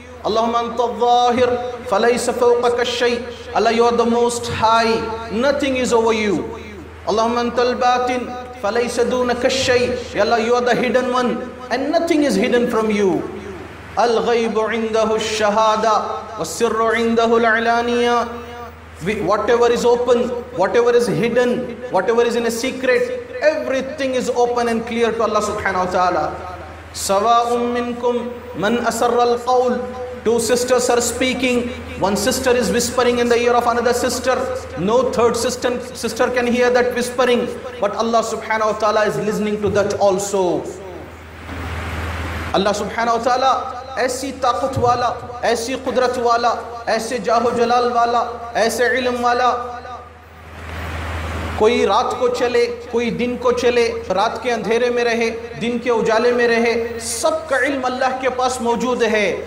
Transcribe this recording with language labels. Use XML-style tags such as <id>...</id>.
<ar>اللہم انت الظاہر فلیس فوقک الشیء,</ar> <en>اللہ you are the most high, nothing is over you.</en> <ar>اللہم انت الباطن فلیس دونک الشیء,</ar> <en>اللہ you are the hidden one, and nothing is hidden from you.</en> <ar>الغیب عندہ الشہادہ والسر عندہ العلانیہ.</ar> <en>Whatever is open, whatever is hidden, whatever is in a secret, everything is open and clear to Allah subhanahu wa ta'ala.</en> <ar>سَوَاءٌ مِّنْكُمْ مَنْ أَسَرَّ الْقَوْلِ.</ar> <en>Two sisters are speaking, one sister is whispering in the ear of another sister. No third sister can hear that whispering, but Allah subhanahu wa ta'ala is listening to that also.</en> <ur>اللہ سبحانہ و تعالیٰ ایسی طاقت والا, ایسی قدرت والا, ایسے جاہ و جلال والا, ایسے علم والا. کوئی رات کو چلے, کوئی دن کو چلے, رات کے اندھیرے میں رہے, دن کے اجالے میں رہے, سب کا علم اللہ کے پاس موجود ہے.</ur>